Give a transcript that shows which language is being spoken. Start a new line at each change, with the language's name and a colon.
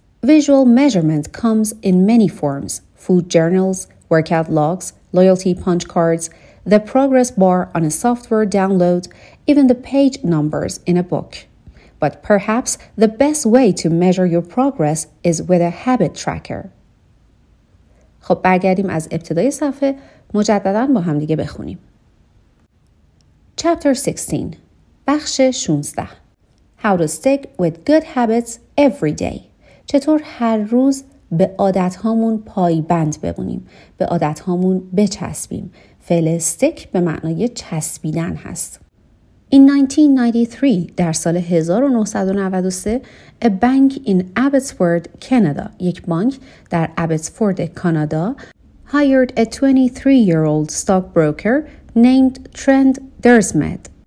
English: Visual measurement comes in many forms: food journals, workout logs, loyalty punch cards, the progress bar on a software download, even the page numbers in a book. But perhaps the best way to measure your progress is with a habit tracker.
Persian: خب برگردیم از ابتدای صفحه مجدداً با هم دیگه بخونیم.
English: Chapter 16.
Persian: بخش 16.
English: How to stick with good habits every day.
Persian: چطور هر روز به عادت‌هامون پایبند بمونیم، به عادت‌هامون بچسبیم. فعل stick به معنای چسبیدن هست.
English: In 1993،
Persian: در سال 1993،
English: a bank in Abbotsford, Canada،
Persian: یک بانک در Abbotsford، کانادا،
English: hired a 23-year-old stockbroker named Trent Dersmith.